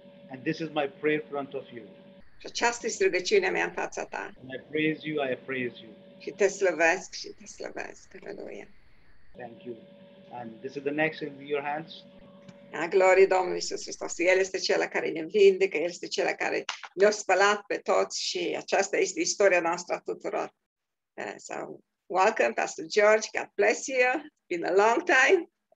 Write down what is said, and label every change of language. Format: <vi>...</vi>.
<en>And this is my prayer in front of you.</en> <ro>Și aceasta este rugăciunea mea în fața ta.</ro> <en>And I praise you, I praise you.</en> <ro>Și te slăvesc, și te slăvesc. Aleluia.</ro> <en>Thank you. And this is the next in your hands.</en> <ro>A gloriei Domnului Iisus Hristos. El este cel care ne vindecă, El este cel care ne-a spălat pe toți și aceasta este istoria noastră a tuturor.</ro> <en>So, welcome, Pastor George. God bless you. It's been a long time.</en>